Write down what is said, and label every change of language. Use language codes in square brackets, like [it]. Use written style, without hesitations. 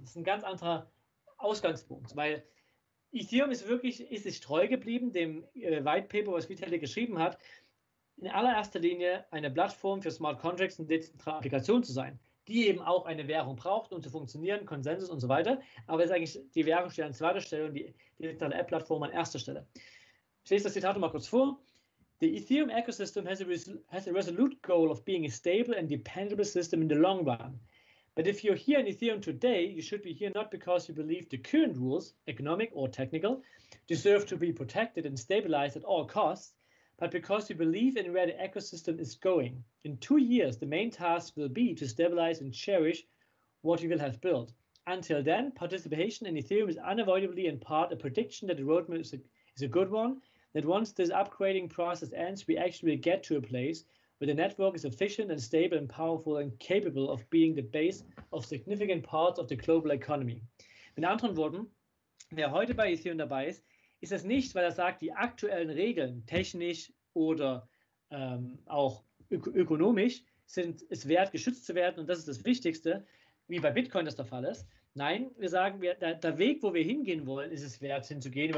[de] Das ist ein ganz anderer Ausgangspunkt, weil Ethereum ist sich treu geblieben dem White Paper, was Vitalik geschrieben hat, in allererster Linie eine Plattform für Smart Contracts und dezentrale Applikationen zu sein, die eben auch eine Währung braucht, um zu funktionieren, Konsensus und so weiter. Aber ist eigentlich die Währung steht an zweiter Stelle und die dezentrale App-Plattform an erster Stelle. Ich lese das Zitat mal kurz vor. [en] The Ethereum ecosystem has a resolute goal of being a stable and dependable system in the long run. But if you're here in Ethereum today, you should be here not because you believe the current rules, economic or technical, deserve to be protected and stabilized at all costs, but because you believe in where the ecosystem is going. In 2 years, the main task will be to stabilize and cherish what you will have built. Until then, participation in Ethereum is unavoidably in part a prediction that the roadmap is a good one, that once this upgrading process ends, we actually get to a place where the network is efficient and stable and powerful and capable of being the base of significant parts of the global economy. [de] In anderen Worten, wer heute bei Ethereum dabei ist, ist das nicht, weil er sagt, die aktuellen Regeln, technisch oder auch ökonomisch, sind es wert, geschützt zu werden und das ist das Wichtigste, wie bei Bitcoin das der Fall ist. Nein, wir sagen, der Weg, wo wir hingehen wollen, ist es wert, hinzugehen.